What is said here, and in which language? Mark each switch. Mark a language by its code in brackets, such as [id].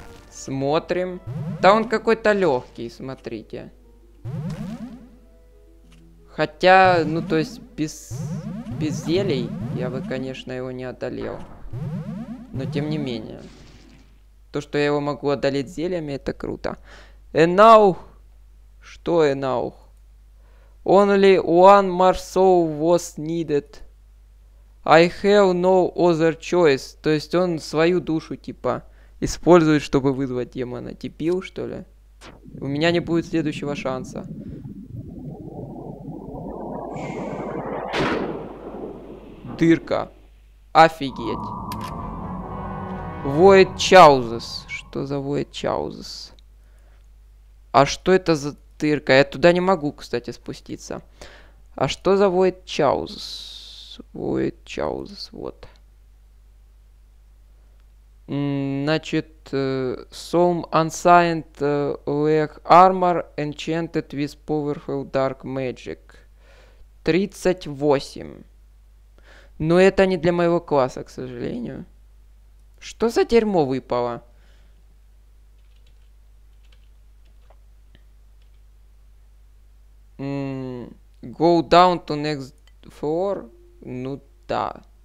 [ru] Смотрим. Да он какой-то легкий, смотрите. Хотя, ну то есть, без зелий я бы, конечно, его не одолел. Но тем не менее. То, что я его могу одолеть зельями, это круто. Энаух. Что Энаух? [en] Only one more soul was needed. I have no other choice. [ru] То есть он свою душу, типа, использует, чтобы вызвать демона. Дебил, что ли? У меня не будет следующего шанса. Дырка. Офигеть. Void Chauses. Что за Void Chauses? А что это за дырка? Я туда не могу, кстати, спуститься. А что за Void Chauses? Void Chauses, вот. Значит, [en] Some Unsigned Leg Armor Enchanted with Powerful Dark Magic. [ru] 38. Но это не для моего класса, к сожалению. Что за дерьмо выпало? [en] Go down to next floor? [ru] Ну да.